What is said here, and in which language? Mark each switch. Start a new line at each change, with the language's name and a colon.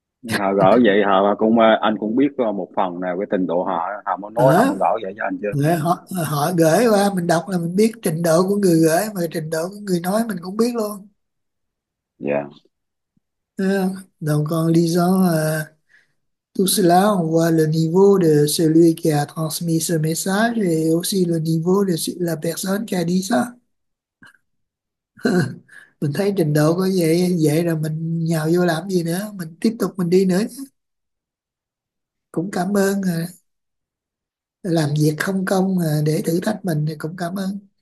Vietnamese: Họ gỡ vậy họ cũng anh cũng biết một phần nào cái trình độ họ họ mới nói ông gỡ vậy cho anh chưa? Họ, họ gửi qua mình đọc là mình biết trình độ của người gửi, mà trình độ của người nói mình cũng biết luôn.
French: Donc en lisant tout cela, on voit le niveau de celui qui a transmis ce message et aussi le niveau de la personne qui a dit ça.
Vietnamese: Mình thấy trình độ có vậy vậy rồi mình nhào vô làm gì nữa, mình tiếp tục mình đi nữa chứ. Cũng cảm ơn làm việc không công để thử thách mình thì cũng cảm ơn.